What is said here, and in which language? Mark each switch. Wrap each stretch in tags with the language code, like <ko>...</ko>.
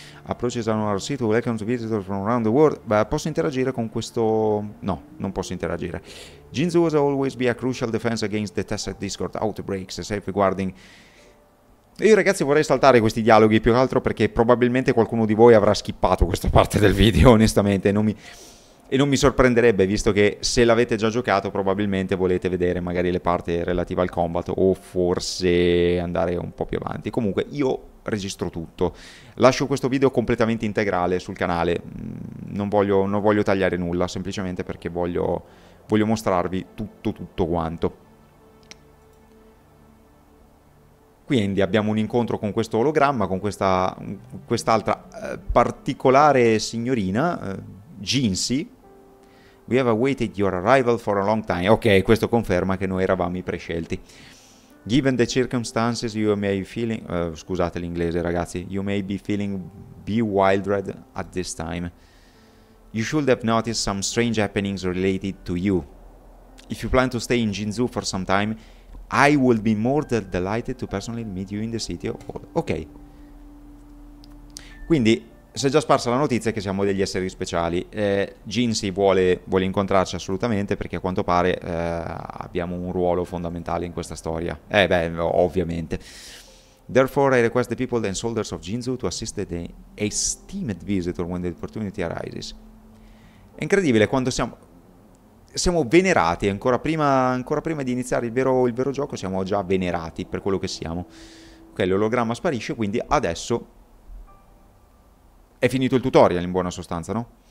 <en>Approaches on our city, welcome to visitors from around the world.</en> <it>Beh, posso interagire con questo? No, non posso interagire.</it> <en>Jinzu has always been a crucial defense against the tested discord outbreaks, safeguarding.</en> <it>Io ragazzi vorrei saltare questi dialoghi più che altro perché probabilmente qualcuno di voi avrà skippato questa parte del video, onestamente. Non mi sorprenderebbe, visto che se l'avete già giocato probabilmente volete vedere magari le parti relative al combat o forse andare un po' più avanti. Comunque io registro tutto, lascio questo video completamente integrale sul canale, non voglio tagliare nulla, semplicemente perché voglio mostrarvi tutto quanto. Quindi abbiamo un incontro con questo ologramma, con quest'altra particolare signorina, Jinzu.</it> <en>We have awaited your arrival for a long time.</en> <it>Ok, questo conferma che noi eravamo i prescelti.</it> <en>Given the circumstances you may be feeling...</en> <it>scusate l'inglese, ragazzi.</it> <en>You may be feeling bewildered at this time. You should have noticed some strange happenings related to you. If you plan to stay in Jinzu for some time, I would be more than delighted to personally meet you in the city of... Ok. Quindi,</en> <it>si è già sparsa la notizia che siamo degli esseri speciali. Jinsei vuole incontrarci assolutamente perché a quanto pare abbiamo un ruolo fondamentale in questa storia. Ovviamente.</it> <en>Therefore, I request the people and soldiers of Jinzu to assist the esteemed visitor when the opportunity arises.</en> <it>È incredibile quando siamo venerati, ancora prima di iniziare il vero gioco, siamo già venerati per quello che siamo. Ok, l'ologramma sparisce, quindi adesso è finito il tutorial, in buona sostanza, no?</it>